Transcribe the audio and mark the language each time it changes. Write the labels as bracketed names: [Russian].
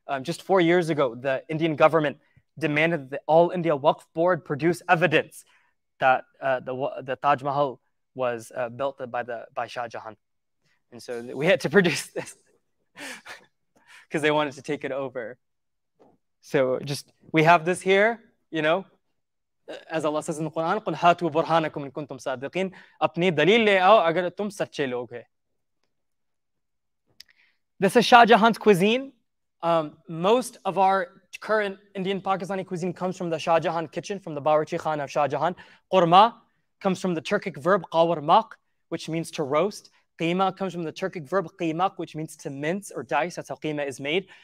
[English] Just 4 years ago, the Indian government demanded that all India Waqf Board produce evidence that the Taj Mahal was built by Shah Jahan. And so we had to produce this because they wanted to take it over. So just, we have this here, you know, as Allah says in the Quran, [Arabic] قُلْ هَاتُوا بُرْهَانَكُمْ إِن كُنْتُمْ صَادِقِينَ [Urdu] اپنی دلیل لے آؤ اگر تم سچے لوگ ہیں. [English] This is Shah Jahan's cuisine. Most of our current Indian-Pakistani cuisine comes from the Shah Jahan kitchen, from the Bawarchi Khan of Shah Jahan. Qurma comes from the Turkic verb qawarmak, which means to roast. Qima comes from the Turkic verb qimak, which means to mince or dice. That's how qima is made.